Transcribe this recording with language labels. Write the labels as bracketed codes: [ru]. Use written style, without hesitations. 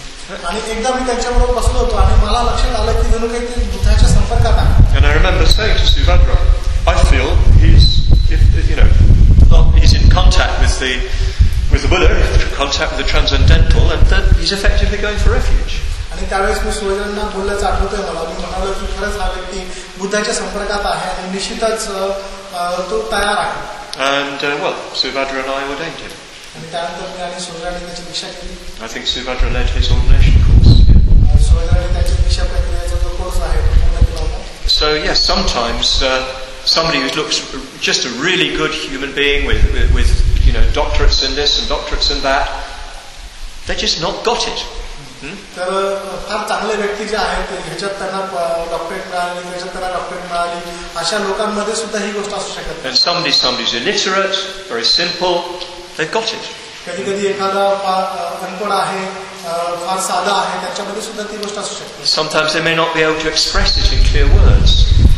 [mr] आणि एकदा मी त्यांच्याबरोबर बसलो होतो आणि मला लक्षात आलं की जणू काही ते बुद्धाच्या संपर्कात आहे. [en] And I remember saying to Suvadra, I feel he's, if you know, not he's in contact with the with the Buddha, contact with the transcendental, and that he's effectively going for refuge. [mr] आणि त्यावेळेस मी सुवर्णांना बोलल्याचं आठवतंय मला, मी म्हणालो की खरंच हा व्यक्ती बुद्धाच्या संपर्कात आहे आणि निश्चितच तो तयार आहे. [en] And well, Subhadra and I ordained him. [mr] आणि त्यानंतर मी आणि सुवर्णांनी त्याची भिक्षा केली. [en] I think Subhadra led his ordination course. [mr] सुवर्णांनी त्याची भिक्षा प्रक्रियेचा जो कोर्स आहे तो पूर्ण केला. [en] So yes, sometimes somebody who looks just a really good human being with you know, doctorates in this and doctorates in that, they just not got it. [mr] तर फार चांगले व्यक्ती जे आहेत ह्याच्यात त्यांना डॉक्टरेट मिळाली, त्याच्यात त्यांना डॉक्टरेट मिळाली, अशा लोकांमध्ये सुद्धा ही गोष्ट असू शकत. [en] And somebody's illiterate, very simple, they got it. [mr] कधी कधी एखादा फार अनपढ आहे, फार साधा आहे, त्याच्यामध्ये सुद्धा ती गोष्ट असू शकते. [en] Sometimes they may not be able to express it in clear words.